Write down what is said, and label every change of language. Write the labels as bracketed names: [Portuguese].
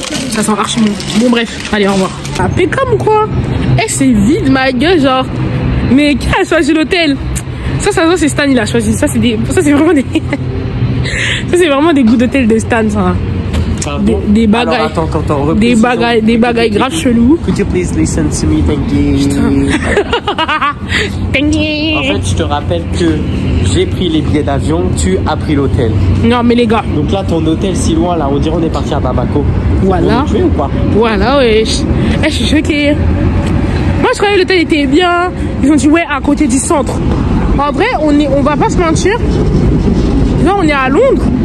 [French] Ça sent archi bon. Bon bref, allez au revoir. À Pécom ou quoi? Eh c'est vide ma gueule genre. Mais qui a choisi l'hôtel? Ça c'est Stan il a choisi. Ça c'est vraiment des goûts d'hôtel de Stan ça. Pardon. Des bagailles. Alors, attends, reprise, des bagailles, des bagailles grave chelou. [English] Could you please listen to me, thank you. Thank you. [French] En fait je te rappelle que j'ai pris les billets d'avion, tu as pris l'hôtel. Non mais les gars. Donc là ton hôtel si loin là, on dirait on est parti à Bamako. Voilà. Tu es ou quoi? Voilà wesh. Eh je suis choquée. Moi je croyais que l'hôtel était bien. Ils ont dit ouais à côté du centre. En vrai on va pas se mentir. Là on est à Londres.